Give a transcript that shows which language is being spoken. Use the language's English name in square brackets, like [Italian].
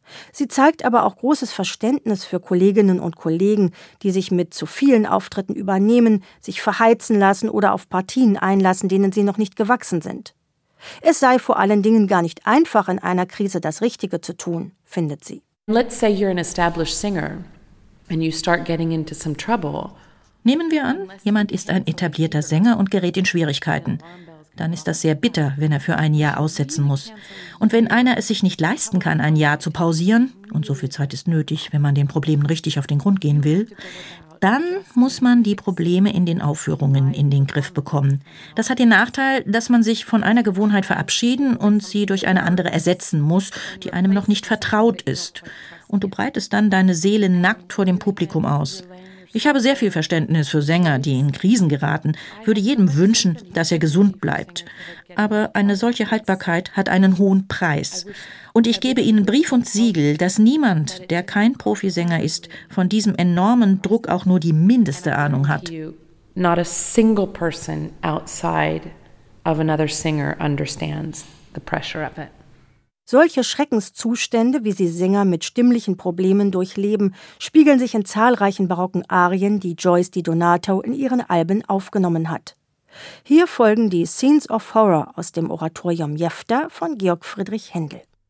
[German] Sie zeigt aber auch großes Verständnis für Kolleginnen und Kollegen, die sich mit zu vielen Auftritten übernehmen, sich verheizen lassen oder auf Partien einlassen, denen sie noch nicht gewachsen sind. Es sei vor allen Dingen gar nicht einfach, in einer Krise das Richtige zu tun, findet sie. [English] Let's say you're an established singer and you start getting into some trouble. [German] Nehmen wir an, jemand ist ein etablierter Sänger und gerät in Schwierigkeiten. dann ist das sehr bitter, wenn er für ein Jahr aussetzen muss. Und wenn einer es sich nicht leisten kann, ein Jahr zu pausieren, und so viel Zeit ist nötig, wenn man den Problemen richtig auf den Grund gehen will, dann muss man die Probleme in den Aufführungen in den Griff bekommen. Das hat den Nachteil, dass man sich von einer Gewohnheit verabschieden und sie durch eine andere ersetzen muss, die einem noch nicht vertraut ist. Und du breitest dann deine Seele nackt vor dem Publikum aus. Ich habe sehr viel Verständnis für Sänger, die in Krisen geraten, würde jedem wünschen, dass er gesund bleibt. Aber eine solche Haltbarkeit hat einen hohen Preis. Und ich gebe Ihnen Brief und Siegel, dass niemand, der kein Profisänger ist, von diesem enormen Druck auch nur die mindeste Ahnung hat. [English] Not a single person outside of another singer understands the pressure of it. [German] Solche Schreckenszustände, wie sie Sänger mit stimmlichen Problemen durchleben, spiegeln sich in zahlreichen barocken Arien, die Joyce DiDonato in ihren Alben aufgenommen hat. Hier folgen die Scenes of Horror aus dem Oratorium Jephta von Georg Friedrich Händel.